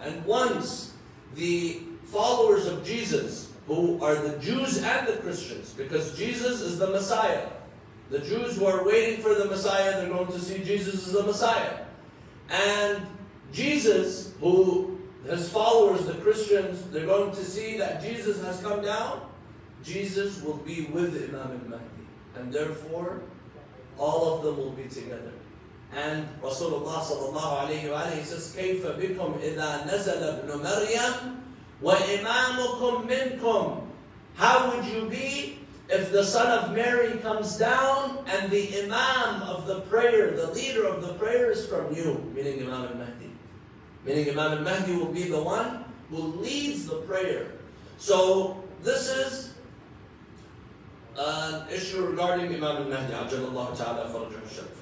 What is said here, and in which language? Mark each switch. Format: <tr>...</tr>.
<en>And once the followers of Jesus, who are the Jews and the Christians, because Jesus is the Messiah, the Jews who are waiting for the Messiah, they're going to see Jesus as the Messiah. And Jesus, who his followers, the Christians, they're going to see that Jesus has come down, Jesus will be with Imam al-Mahdi. And therefore, all of them will be together. And Rasulullah sallallahu alayhi wa alayhi says,</en> <ar>كَيْفَ بِكُمْ إِذَا نَزَلَ ابْنُ مَرْيَمُ وَإِمَامُكُمْ مِنْكُمْ.</ar> <en>How would you be if the son of Mary comes down and the Imam of the prayer, the leader of the prayer is from you? Meaning Imam al-Mahdi. Meaning Imam al-Mahdi will be the one who leads the prayer. So this is an issue regarding Imam al-Mahdi,</en> <ar>ajallahu ta'ala farajahu al-sharif.</ar>